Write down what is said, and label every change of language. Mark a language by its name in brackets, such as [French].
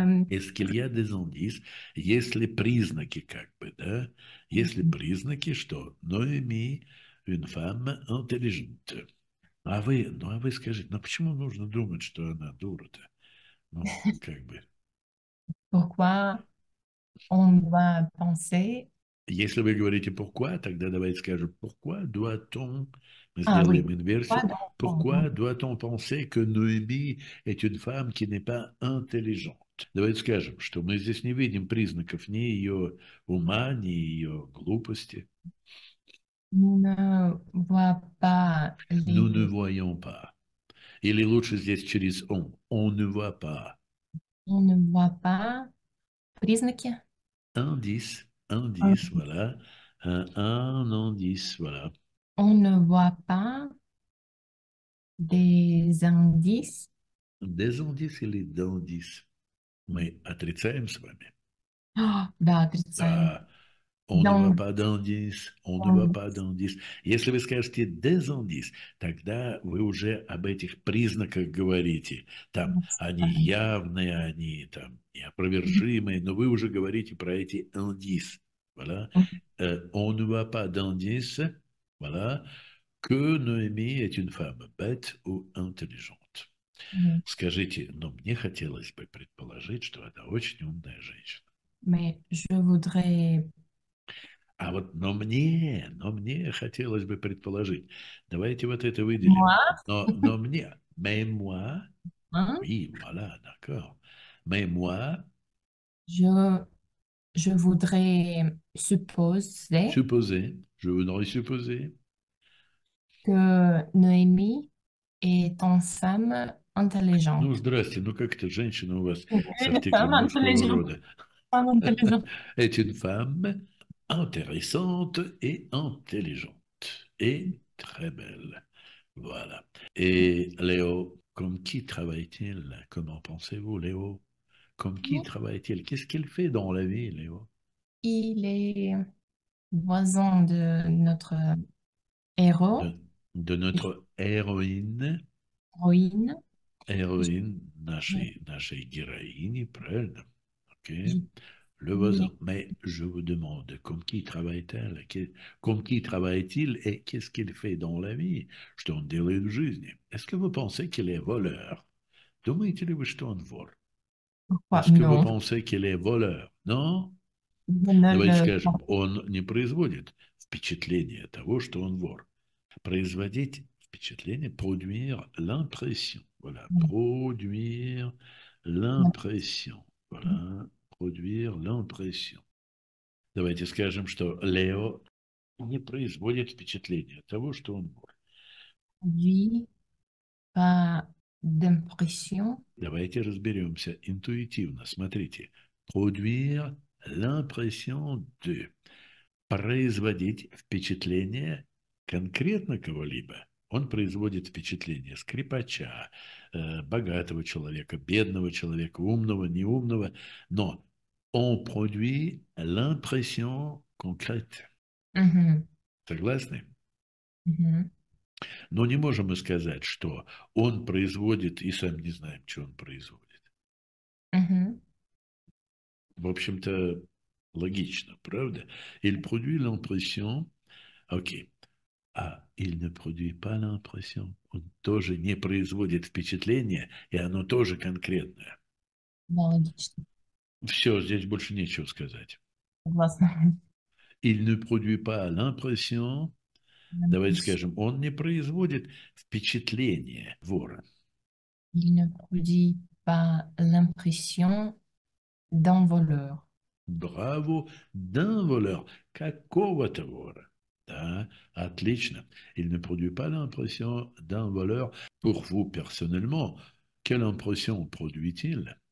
[French] Est-ce qu'il y a des indices, [Russian] есть ли признаки, как бы, да? Есть ли признаки, что Ноэми [French] une femme intelligente? [Russian] Ну а вы скажите, ну почему нужно думать, что она дура-то? Ну, как бы. [French] Pourquoi on doit penser? [Russian] Если вы говорите «пourquoi», тогда давайте скажем [French] «pourquoi doit-on», [Russian] мы Ah сделаем [French] oui, une version, pourquoi donc? «pourquoi doit-on penser que Ноэми est une femme qui n'est pas intelligente?» [Russian] Давайте скажем, что мы здесь не видим признаков ни ее ума, ни ее глупости. [French] Ne voit pas Nous ne les. voyons pas. [Russian] Или лучше здесь через «on». [French] «On ne voit pas». On ne voit pas [Russian] признаки. [French] Indice. Indice, voilà. Un indice, voilà. On ne voit pas des indices. Des indices [Russian] или [French] d'indices? [Russian] Мы отрицаем с вами. Oh, да, отрицаем. Да, [French] on ne voit Donc, pas d'indices, on ne voit on... pas d'indices. [Russian] Если вы скажете des indices, тогда вы уже об этих признаках говорите. Там они явные, они там неопровержимые, но вы уже говорите про эти indices. [French] Voilà. On ne voit pas d'indices, voilà, que Noémie est une femme bête ou intelligente. [Russian] Скажите, но мне хотелось бы предположить, что она очень умная женщина. [French] Mais je voudrais... [Russian] А вот но мне хотелось бы предположить. Давайте вот это выделим. [French] Moi? [Russian] Но мне, [French] mais moi, Hein? oui, voilà, d'accord. Mais moi, Je voudrais supposer supposer, je voudrais supposer. que Noémie est une femme Intelligent. [Russian] Ну, здрасте, ну как это женщина у вас с [French] Une femme [Russian] артиклем мужского [French] intelligente. [Russian] рода? [French] Une femme intelligente. Est une femme intéressante et intelligente et très belle. Voilà. Et Léo, comme qui travaille-t-il? Comment pensez-vous, Léo? Comme qui travaille-t-il? Qu'est-ce qu'il fait dans la vie, Léo? Il est voisin de notre héros, De notre héroïne. héroïne. Héroïne, [Russian] нашей героини, правильно? [English] Okay. [French] Oui. Le voisin. Mais je vous demande, comme qui travaille-t-elle? Comme qui travaille-t-il et qu'est-ce qu'il fait dans la vie? [Russian] Что он делает в жизни? [French] Est-ce que vous pensez qu'il est voleur? [Russian] Думаете-ли вы, что он вор? [French] Pourquoi? Est-ce que vous Non. pensez qu'il est voleur? Non? [Russian] Давайте [French] Ne [Russian] скажем, он не производит впечатление того, что он вор. Производить впечатление, [French] продуire l'impression. Voilà, produire l'impression. Voilà, produire l'impression. [Russian] Давайте скажем, что Léo не производит впечатление того, что он вор. [French] Oui, pas d'impression. [Russian] Давайте разберемся интуитивно. Смотрите, [French] produire l'impression de. [Russian] Производить впечатление конкретно кого-либо. Он производит впечатление скрипача, богатого человека, бедного человека, умного, неумного, но он продвигает [French] l'impression concrète. [Russian] Согласны? Но не можем мы сказать, что он производит, и сами не знаем, что он производит. В общем-то, логично, правда? [French] Il produit l'impression. [Russian] Окей. А [French] il ne produit pas l'impression. [Russian] Он тоже не производит впечатление, и оно тоже конкретное. Логично. Все, здесь больше нечего сказать. Согласна. [French] Il ne produit pas l'impression. [Russian] Давайте скажем, он не производит впечатление вора. [French] Il ne produit pas l'impression d'un voleur. [Russian] Браво, [French] d'un voleur. [Russian] Какого-то вора. Да, отлично. [French] Il ne produit pas l'impression d'un voleur. Pour vous personnellement, quelle impression produit-il?